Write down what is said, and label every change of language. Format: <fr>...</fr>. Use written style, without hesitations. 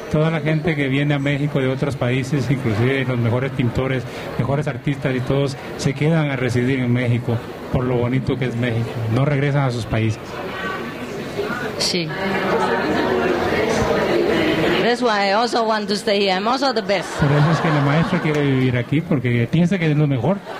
<es>Toda la gente que viene a México de otros países, inclusive los mejores pintores, mejores artistas y todos, se quedan a residir en México por lo bonito que es México. No regresan a sus países. Sí.</es> <en>That's why I also want to stay here. I'm also the best.</en> <es>Por eso es que la maestra quiere vivir aquí porque piensa que es lo mejor.</es>